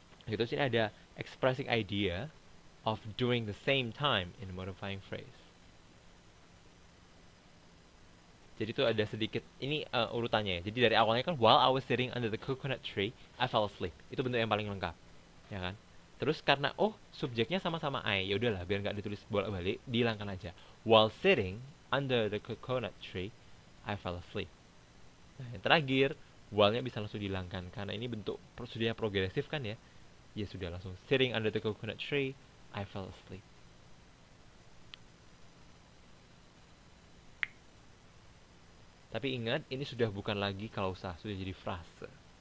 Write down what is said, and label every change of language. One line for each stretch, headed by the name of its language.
Indonesian: Itu sini ada
English: expressing idea of doing the same time in modifying phrase.
Indonesian: Jadi itu ada sedikit, ini urutannya ya. Jadi dari awalnya kan,
English: while I was sitting under the coconut tree, I fell asleep.
Indonesian: Itu bentuk yang paling lengkap, ya kan? Terus karena oh subjeknya sama-sama I, ya udahlah biar nggak ditulis bolak-balik, dihilangkan aja.
English: While sitting under the coconut tree, I fell asleep.
Indonesian: Nah, yang terakhir, while-nya bisa langsung dihilangkan karena ini bentuk sudah progresif kan ya. Ya sudah langsung
English: sitting under the coconut tree, I fell asleep.
Indonesian: Tapi ingat, ini sudah bukan lagi klausa, sudah jadi frase.